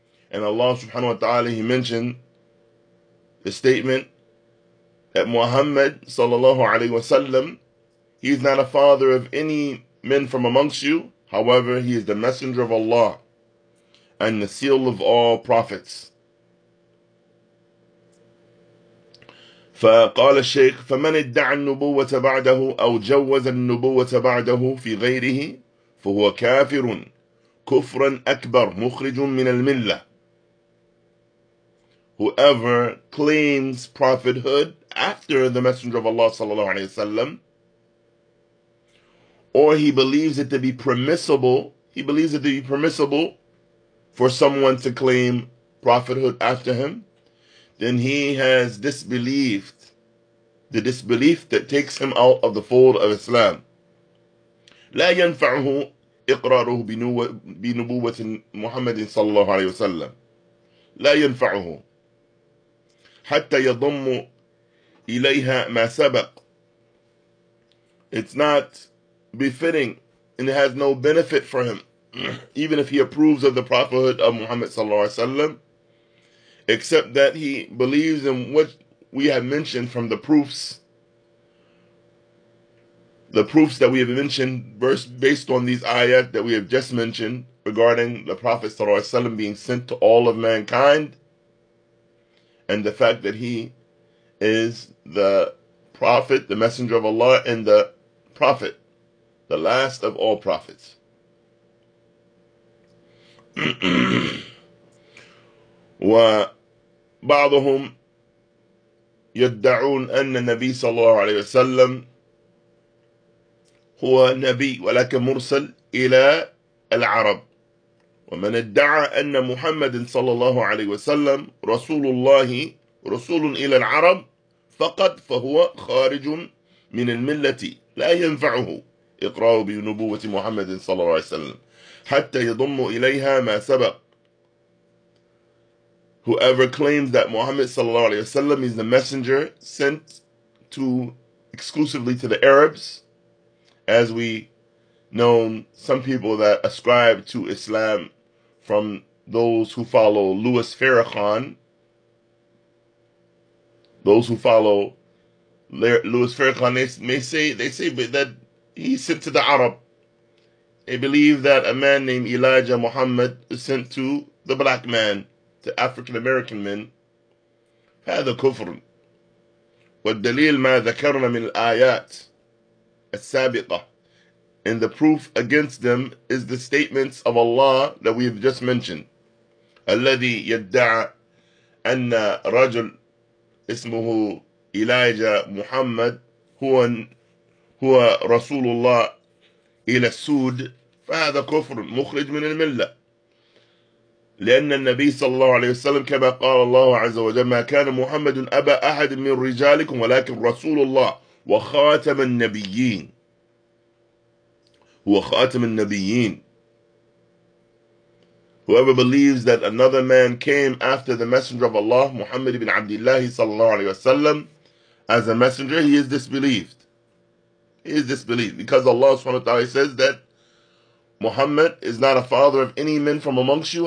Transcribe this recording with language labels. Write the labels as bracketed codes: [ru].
[en] And Allah subhanahu wa ta'ala, he mentioned the statement that Muhammad sallallahu alayhi wa sallam, he is not a father of any men from amongst you. However, he is the messenger of Allah and the seal of all prophets. [ar] فقال الشيخ فمن ادعى النبوة بعده أو جوز النبوة بعده في غيره فهو كافر كفرا أكبر مخرج من الملة. [en] Whoever claims prophethood after the messenger of Allah sallallahu alayhi wa sallam, or he believes it to be permissible, he believes it to be permissible for someone to claim prophethood after him, then he has disbelieved, the disbelief that takes him out of the fold of Islam. [ar] لا ينفعه إقراره بنبوة محمد صلى الله عليه وسلم. لا ينفعه حتى يضم إليها ما سبق. [en] It's not befitting and it has no benefit for him, even if he approves of the prophethood of Muhammad sallallahu alayhi wa sallam, except that he believes in what we have mentioned from the proofs that we have mentioned based on these ayat that we have just mentioned regarding the Prophet sallallahu alayhi wa sallam being sent to all of mankind, and the fact that he is the prophet, the messenger of Allah, and the prophet, the last of all prophets. [ar] وبعضهم يدعون أن النبي صلى الله عليه وسلم هو نبي ولكن مرسل إلى العرب. ومن ادعى أن محمد صلى الله عليه وسلم رسول الله رسول إلى العرب فقد فهو خارج من الملة لا ينفعه إقراره بنبوة محمد صلى الله عليه وسلم حتى يضم إليها ما سبق. [en] Whoever claims that Muhammad sallallahu alayhi wasallam is the messenger sent to exclusively to the Arabs, as we know some people that ascribe to Islam from those who follow Louis Farrakhan, those who follow Louis Farrakhan, they say that he's sent to the Arab. They believe that a man named Elijah Muhammad is sent to the black man, to African-American men. [ar] هذا كفر. والدليل ما ذكرنا من الآيات السابقة. [en] And the proof against them is the statements of Allah that we have just mentioned. [ar] الذي يدعى أن رجل اسمه Elijah Muhammad هو رسول الله إلى السود فهذا كفر مخرج من الملة. لأن النبي صلى الله عليه وسلم كما قال الله عز وجل ما كان محمد أبا أحد من رجالكم ولكن رسول الله وخاتم النبيين. هو خاتم النبيين. [en] Whoever believes that another man came after the messenger of Allah, Muhammad ibn Abdullah صلى الله عليه وسلم, as a messenger, he is disbelieved. He is disbelieved because Allah subhanahu wa ta'ala says that Muhammad is not a father of any men from amongst you.